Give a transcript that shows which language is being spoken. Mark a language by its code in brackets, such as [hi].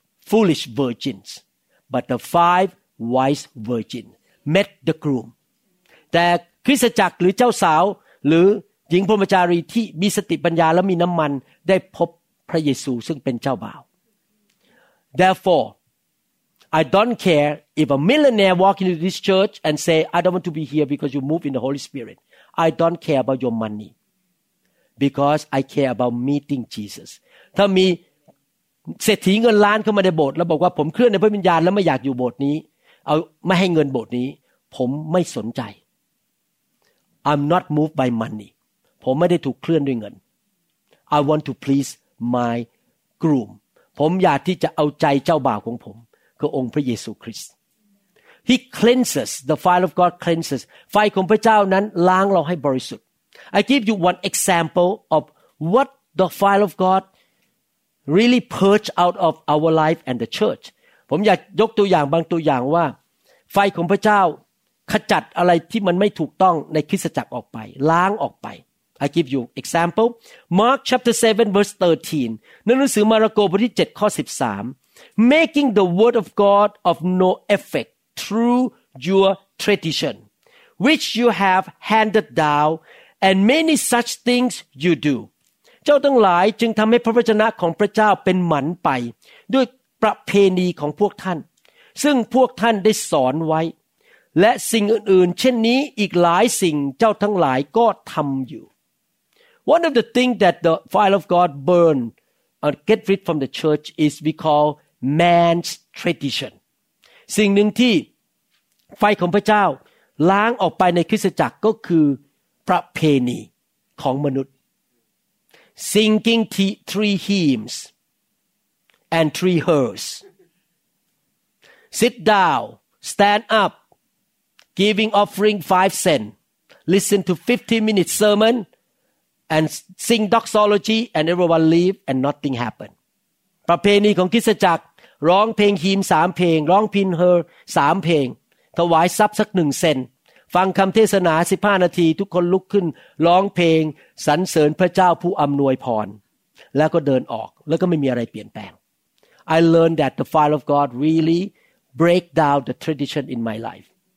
[en] foolish virgins but the five wise virgins met the groom [th] แต่คริสตจักรหรือเจ้าสาวหรือหญิงพรหมจารีที่มีสติปัญญาและมีน้ำมันได้พบพระเยซูซึ่งเป็นเจ้าบ่าว [en] Therefore, I don't care if a millionaire walks into this church and say, I don't want to be here because you move in the Holy Spirit. I don't care about your money because I care about meeting Jesus. [th] ถ้ามีเศรษฐีเงินล้านเข้ามาในโบสถ์แล้วบอกว่าผมเคลื่อนในพระวิญญาณแล้วไม่อยากอยู่โบสถ์นี้เอาไม่ให้เงินโบสถ์นี้ผมไม่สนใจ [en] I'm not moved by money. [th] ผมไม่ได้ถูกเคลื่อนด้วยเงิน [en] I want to please my groom. ผมอยากที่จะเอาใจเจ้าบ่าวของผมคือองค์พระเยซูคริสต์ He cleanses the fire of God cleanses [th] ไฟของพระเจ้านั้นล้างเราให้บริสุทธิ์ [en] I give you one example of what the fire of God really purge out of our life and the church [th] ผมอยากยกตัวอย่างบางตัวอย่างว่าไฟของพระเจ้าขจัดอะไรที่มันไม่ถูกต้องในคริสตจักรออกไปล้างออกไป [en] I give you example. Mark chapter 7 verse 13. [th] นั่นหนังสือมาระโกบทที่7ข้อ13. [en] Making the word of God of no effect through your tradition, which you have handed down, and many such things you do. [th] เจ้าทั้งหลายจึงทำให้พระวจนะของพระเจ้าเป็นหมันไปด้วยประเพณีของพวกท่านซึ่งพวกท่านได้สอนไว้และสิ่งอื่นๆเช่นนี้อีกหลายสิ่งเจ้าทั้งหลายก็ทำอยู่ [en] One of the things that the fire of God burn or get rid from the church is we call man's tradition. [th] สิ่งหนึ่งที่ไฟของพระเจ้าล้างออกไปในคริสตจักรก็คือประเพณีของมนุษย์ [en] Singing three hymns and three hers. Sit down, stand up, giving offering 5 cents. Listen to 15-minute sermon. And sing doxology and everyone leave and nothing happen. [th] ประเพณีของคริสตจักรร้องเพลงฮีม3เพลงร้องพินเฮอร์3เพลงถวายทรัพย์สัก1เซนฟังคำเทศนา15นาทีทุกคนลุกขึ้นร้องเพลงสรรเสริญพระเจ้าผู้อำนวยพรแล้วก็เดินออกแล้วก็ไม่มีอะไรเปลี่ยนแปลง [en] I learned that the fire of God really break down the tradition in my life.